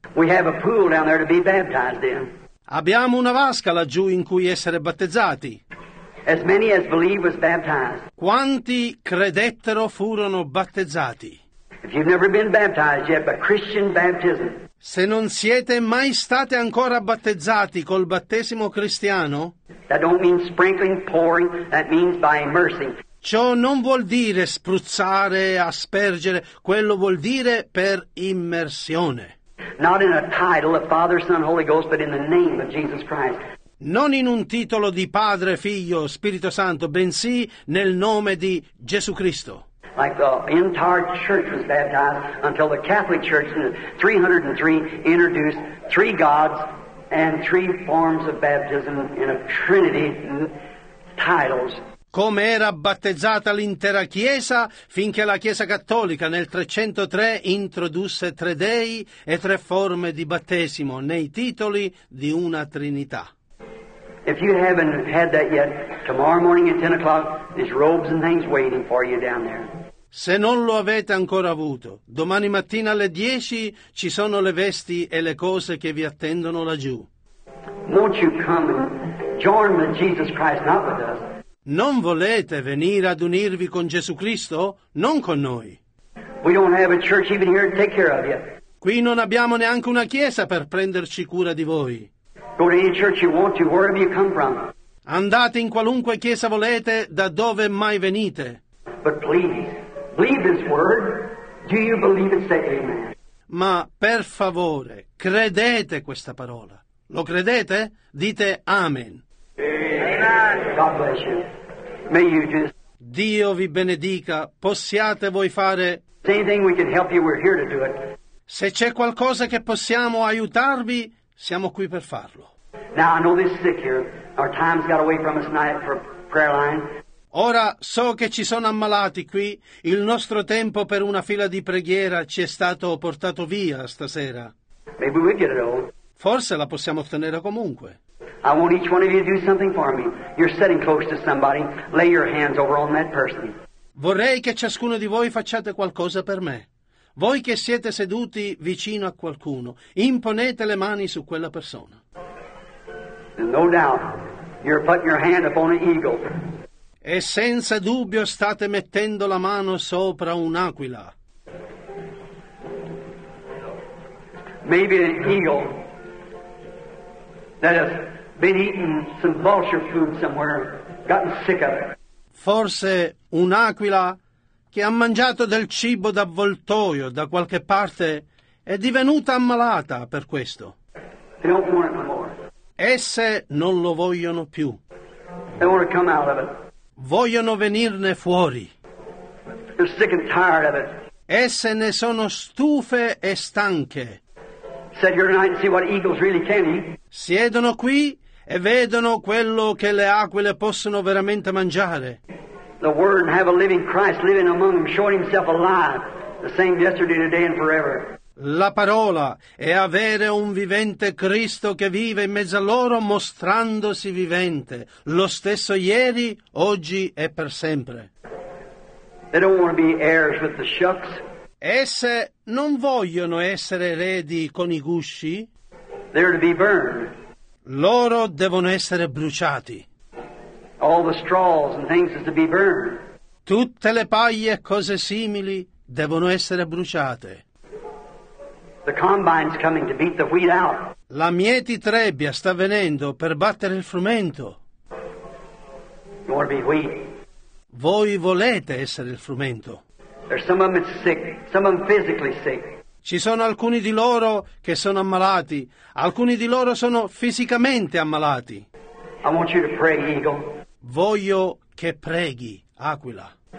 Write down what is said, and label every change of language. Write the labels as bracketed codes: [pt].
[en] We have a pool down there to be baptized in. [it] Abbiamo una vasca laggiù in cui essere battezzati. [en] As many as believe was baptized. [it] Quanti credettero furono battezzati. [en] If you've never been baptized yet, but Christian baptism. [it] Se non siete mai stati ancora battezzati col battesimo cristiano, [en] that don't mean sprinkling, pouring, that means by immersing. [it] Ciò non vuol dire spruzzare, aspergere, quello vuol dire per immersione. [en] Not in a title of Father, Son, Holy Ghost, but in the name of Jesus Christ. [it] Non in un titolo di Padre, Figlio, Spirito Santo, bensì nel nome di Gesù Cristo. [en] Like the entire church was baptized until the Catholic Church in 303 introduced three gods and three forms of baptism in a trinity titles. [it] Come era battezzata l'intera Chiesa finché la Chiesa Cattolica nel 303 introdusse tre dei e tre forme di battesimo nei titoli di una trinità. [en] If you haven't had that yet, tomorrow morning at 10 o'clock there's robes and things waiting for you down there. [it] Se non lo avete ancora avuto, domani mattina alle 10 ci sono le vesti e le cose che vi attendono laggiù. [en] Won't you come and join with Jesus Christ, not with us? [it] Non volete venire ad unirvi con Gesù Cristo? Non con noi. [en] We don't have a church even here to take care of you. [it] Qui non abbiamo neanche una chiesa per prenderci cura di voi. [en] Go to any church you want to, wherever you come from. [it] Andate in qualunque chiesa volete, da dove mai venite. [en] But please. Believe this word. Do you believe it? Say amen. [it] Ma per favore, credete questa parola. Lo credete? Dite amen. [en] Amen. God bless you. May you just. [it] Dio vi benedica. Possiate voi fare. [en] Anything we can help you, we're here to do it. [it] Se c'è qualcosa che possiamo aiutarvi, siamo qui per farlo. [en] Now I know this is sick here. Our time's got away from us tonight for prayer line. [it] Ora so che ci sono ammalati qui, il nostro tempo per una fila di preghiera ci è stato portato via stasera. [en] Maybe we get it all. [it] Forse la possiamo ottenere comunque. [en] I want each one of you to do something for me. You're sitting close to somebody. Lay your hands over on that person. [it] Vorrei che ciascuno di voi facciate qualcosa per me. Voi che siete seduti vicino a qualcuno, imponete le mani su quella persona. [en] And no doubt, you're putting your hand upon an eagle. [it] E senza dubbio state mettendo la mano sopra un'aquila. [en] Maybe an eagle that has been eating some vulture food somewhere, gotten sick of it. [it] Forse un'aquila che ha mangiato del cibo da avvoltoio da qualche parte è divenuta ammalata per questo. [en] They don't want it no more. [it] Esse non lo vogliono più. [en] They want to come out of it. [it] Vogliono venirne fuori. [en] They're sick and tired of it. [it] Esse ne sono stufe e stanche. [en] Sit here tonight and see what eagles really can eat. [it] Siedono qui e vedono quello che le aquile possono veramente mangiare. [en] The Word and have a living Christ living among them, showing Himself alive, the same yesterday, today, and forever. [it] La parola è avere un vivente Cristo che vive in mezzo a loro mostrandosi vivente, lo stesso ieri, oggi e per sempre. [en] They don't want to be heirs with the shucks. [it] Esse non vogliono essere eredi con i gusci. [en] They're to be burned. [it] Loro devono essere bruciati. [en] All the straws and things is to be burned. [it] Tutte le paglie e cose simili devono essere bruciate. [en] The combine's coming to beat the wheat out. [it] La mietitrebbia sta venendo per battere il frumento. [en] You want to be wheat. [it] Voi volete essere il frumento. [en] There's some of them sick, some of them physically sick. [it] Ci sono alcuni di loro che sono ammalati, alcuni di loro sono fisicamente ammalati. [en] I want you to pray, eagle. [it] Voglio che preghi, aquila.